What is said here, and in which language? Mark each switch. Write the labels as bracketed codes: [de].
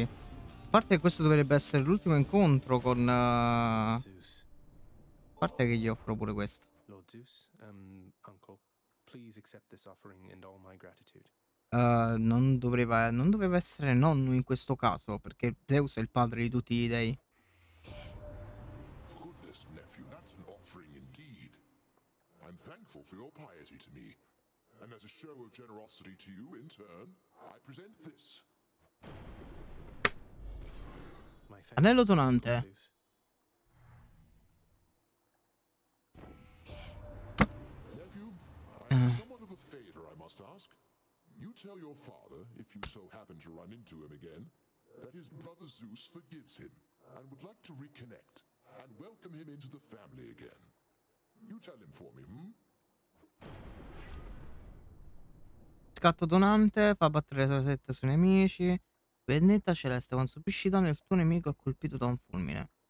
[it] A parte che questo dovrebbe essere l'ultimo incontro con A parte che gli offro pure questo. [en] Lord Zeus, uncle, please accept this offering and all my gratitude. [it] Non doveva essere nonno in questo caso, perché Zeus è il padre di tutti gli dei. [en] Goodness, nephew, that's an offering indeed. I'm thankful for your piety to me. And as a show of generosity to you in turn, I present this. [it] Anello tonante. [en] Nephew, I have somewhat of a favor I must ask. You tell your father, if you so happen to run into him again, that his brother Zeus forgives him and would like to reconnect and welcome him into the family again. You tell him for me, hmm? [it] Scatto donante, fa battere le sette sui nemici. Vendetta celeste, quando subisci danno il tuo nemico è colpito da un fulmine.